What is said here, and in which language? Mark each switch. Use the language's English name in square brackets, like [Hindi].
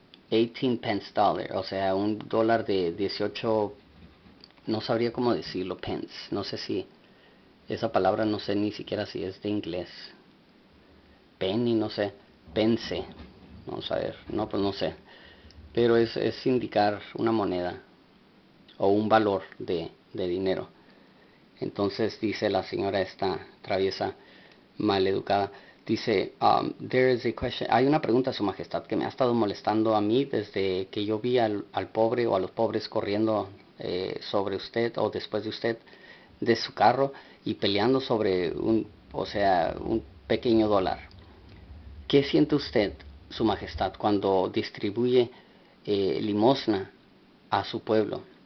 [Spanish] 18 pence dollar, o sea, un dólar de 18, no sabría cómo decirlo, pence, no sé si esa palabra, no sé ni siquiera si es de inglés, penny, no sé, pence, vamos a ver, no, pues no sé, pero es indicar una moneda o un valor de dinero. Entonces dice la señora esta traviesa maleducada. Dice, [English] there is a question. [Spanish] Hay una pregunta, Su Majestad, que me ha estado molestando a mí desde que yo vi al pobre o a los pobres corriendo sobre usted o después de usted de su carro y peleando sobre o sea, un pequeño dólar. ¿Qué siente usted, Su Majestad, cuando distribuye limosna a su pueblo?